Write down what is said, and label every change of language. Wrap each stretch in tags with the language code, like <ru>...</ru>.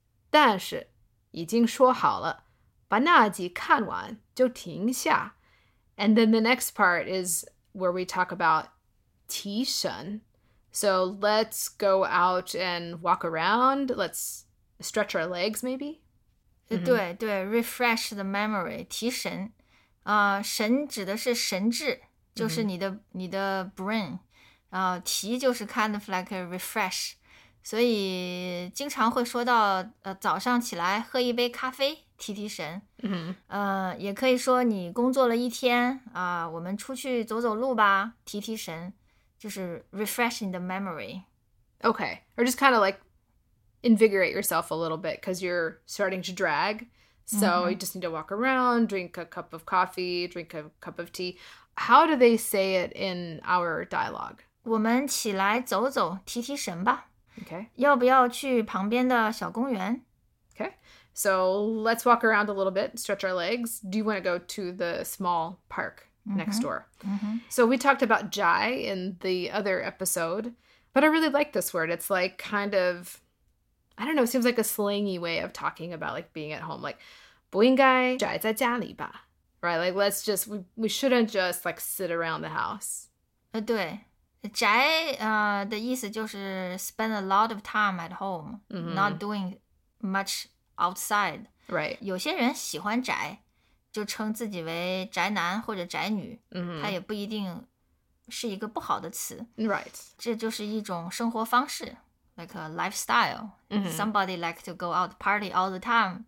<zh>但是已经说好了，把那集看完就停下。</zh> <en>And then the next part is where we talk about 提神。 So let's go out and walk around. Let's stretch our legs maybe.</en> <zh>对对 ,</zh> <en>refresh the memory,</en> <zh>提神。神指的是神智。就是你的 brain, 提就是</zh> <en>kind of like a refresh,</en> <zh>所以经常会说到早上起来喝一杯咖啡提提神、 mm-hmm. 也可以说你工作了一天啊、我们出去走走路吧提提神就是</zh> <en>refreshing the memory. Okay, or just kind of like invigorate yourself a little bit because you're starting to drag, so、mm-hmm. you just need to walk around, drink a cup of coffee, drink a cup of tea. How do they say it in our dialogue?</en> <zh>我们起来走走，提提神吧。</zh> <en>Okay.</en> <zh>要不要去旁边的小公园？</zh> <en>Okay. So let's walk around a little bit, stretch our legs. Do you want to go to the small park next door? Mm-hmm. So we talked about jai in the other episode, but I really like this word. It's like kind of, I don't know, it seems like a slangy way of talking about like being at home. Like,</en> <zh>不应该宅在家里吧。</zh> <en>Right, like let's just, we shouldn't just like sit around the house.</en> <zh>对,宅的意思就是</zh> <en>spend a lot of time at home,、 mm-hmm. not doing much outside. Right.</en> <zh>有些人喜欢宅,就称自己为宅男或者宅女,、 mm-hmm. 它也不一定是一个不好的词。</zh> <en>Right.</en> <zh>这就是一种生活方式,</zh> <en>like a lifestyle.、 Mm-hmm. Somebody like to go out party all the time.</en>